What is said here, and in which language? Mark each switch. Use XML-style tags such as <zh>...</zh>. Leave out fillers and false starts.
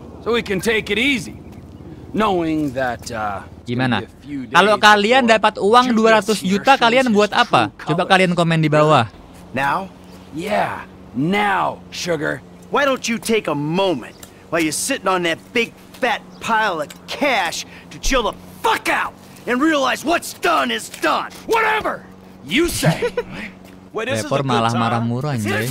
<en>So we can take it easy, knowing that.</en> <id>Gimana? Kalau kalian dapat uang 200 juta, kalian buat apa? Coba kalian komen di bawah.</id> <en>Now? Yeah, now, sugar. Why don't you take a moment while you're sitting on that big fat pile of cash to chill the fuck out and realize what's done is done. Whatever you say.</en> <id>Well, Lepor malah marah murah, anjay.</id>